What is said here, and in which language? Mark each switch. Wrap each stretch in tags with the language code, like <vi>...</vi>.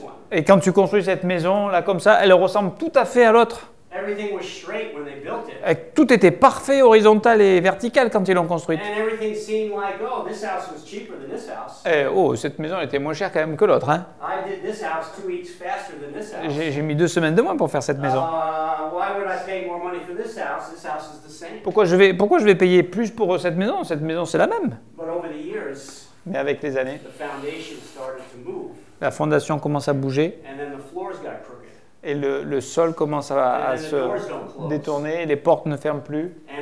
<fr>Et quand tu construis cette maison là comme ça, elle ressemble tout à fait à l'autre.</fr> <en>Everything was straight when they built it.</en> <fr>Tout était parfait, horizontal et vertical quand ils l'ont construite.</fr> <en>And everything seemed like, oh, this house was cheaper than this house.</en> <fr>Cette maison était moins chère quand même que l'autre, hein.</fr> <en>I did this house 2 weeks faster than this house.</en> <fr>J'ai mis deux semaines de moins pour faire cette maison.</fr> <en>Why would I pay more money for this house? This house is the same.</en> <fr>Pourquoi je vais payer plus pour cette maison? Cette maison, c'est la même.</fr> <en>But over the years,</en> <fr>mais avec les années,</fr> <en>the foundation started to move.</en> <fr>La fondation commence à bouger.</fr> <en>And then the floors got crooked.</en> <fr>Et le sol commence à se détourner, les portes ne ferment plus.</fr>